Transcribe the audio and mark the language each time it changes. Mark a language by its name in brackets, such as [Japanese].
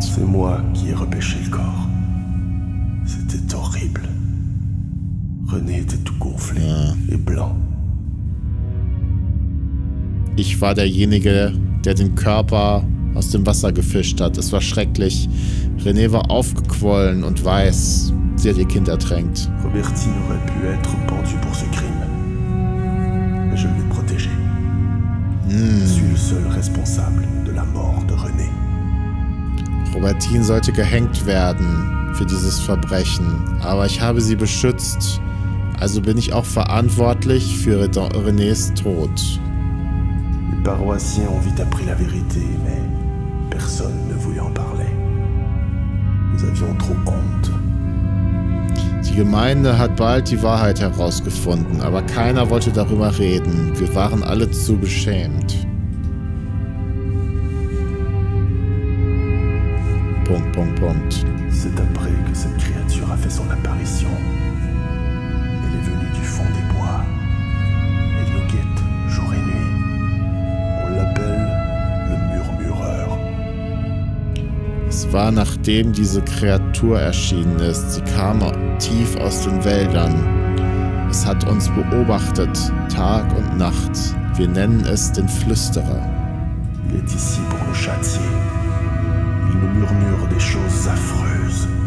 [French] C'est moi qui ai repêché le corps. C'était horrible. René était tout gonflé et blanc. [German] Ich war derjenige, der den Körper aus dem Wasser gefischt hat. Es war schrecklich. René war aufgequollen und weiß. Sie hat ihr Kind ertränkt. [French] Robertine aurait pu être pendu pour ce crime. Mais je l'ai protégé. Je suis le seul responsable de la mort de René. [German] Robertine sollte gehängt werden für dieses Verbrechen, aber ich habe sie beschützt, also bin ich auch verantwortlich für Renés Tod. [French] Les paroissiens ont vite appris la vérité, mais personne ne voulait en parler. Nous avions trop honte. [German] Die Gemeinde hat bald die Wahrheit herausgefunden, aber keiner wollte darüber reden. Wir waren alle zu beschämt. Punkt, Punkt, Punkt. [French] C'est après que cette créature a fait son apparition. Elle est venue du fond des bois. Elle nous guette jour et nuit. On l'appelle le Murmureur. [German] Es war nachdem diese Kreatur erschienen ist. Sie kam tief aus den Wäldern. Es hat uns beobachtet, Tag und Nacht. Wir nennen es den Flüsterer. [French] Il est ici pour nous châtier. Il nous murmure des choses affreuses.